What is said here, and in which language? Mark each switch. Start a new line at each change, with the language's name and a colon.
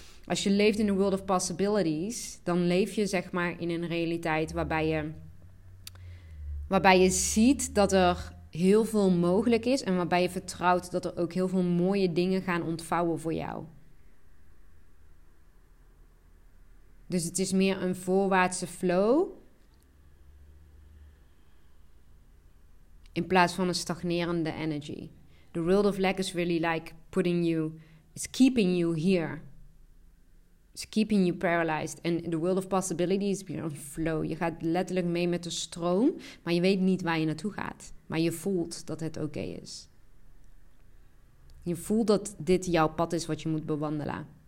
Dutch: Als je leeft in de
English: world of possibilities,
Dutch: dan leef je zeg maar in een realiteit waarbij je ziet dat er heel veel mogelijk is en waarbij je vertrouwt dat er ook heel veel mooie dingen gaan ontvouwen voor jou. Dus het is meer een voorwaartse flow in plaats van een stagnerende energy.
English: The world of lack is really like putting you, it's keeping you here. It's keeping you paralyzed. And the world of possibilities is
Dutch: meer een flow. Je gaat letterlijk mee met de stroom, maar je weet niet waar je naartoe gaat. Maar je voelt dat het oké is. Je voelt dat dit jouw pad is wat je moet bewandelen.